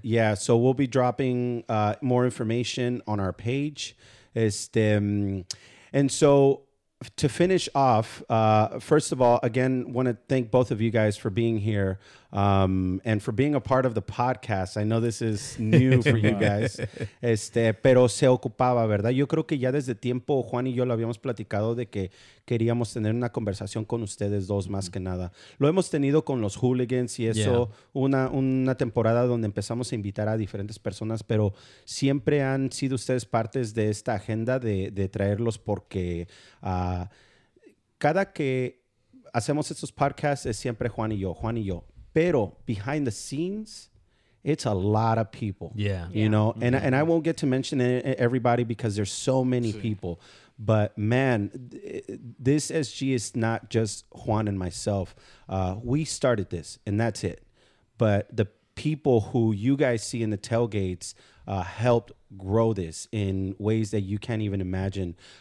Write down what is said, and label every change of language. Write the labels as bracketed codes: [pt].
[en] Yeah, so we'll be dropping more information on our page. And so to finish off, first of all, again, want to thank both of you guys for being here and for being a part of the podcast. I know this is new for you guys. [es] Pero se ocupaba, ¿verdad? Yo creo que ya desde tiempo Juan y yo lo habíamos platicado de que queríamos tener una conversación con ustedes dos más que nada. Lo hemos tenido con los hooligans y eso, una temporada donde empezamos a invitar a diferentes personas, pero siempre han sido ustedes partes de esta agenda de traerlos porque cada que hacemos estos podcasts es siempre Juan y yo, Juan y yo. [en] Pero behind the scenes, it's a lot of people. Yeah. You know, and I won't get to mention everybody because there's so many people. But man, this SG is not just Juan and myself. We started this and that's it. But the people who you guys see in the tailgates helped grow this in ways that you can't even imagine.